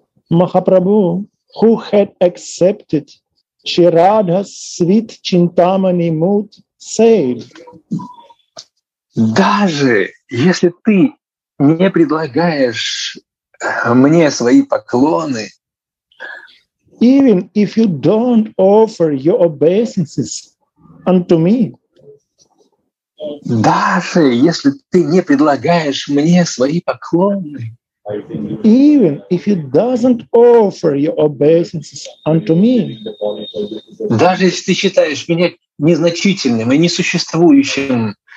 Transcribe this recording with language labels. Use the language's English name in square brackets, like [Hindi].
[English] Махапрабху, who had accepted Шри Радха's sweet чинтамани mood, said, [Russian] даже если ты не предлагаешь мне свои поклоны, [English] even if you don't offer your obeisances unto me, [Russian] даже если ты не предлагаешь мне свои поклоны, [English] even if you doesn't offer your obeisances unto me, [Russian] даже если ты считаешь меня незначительным и несуществующим,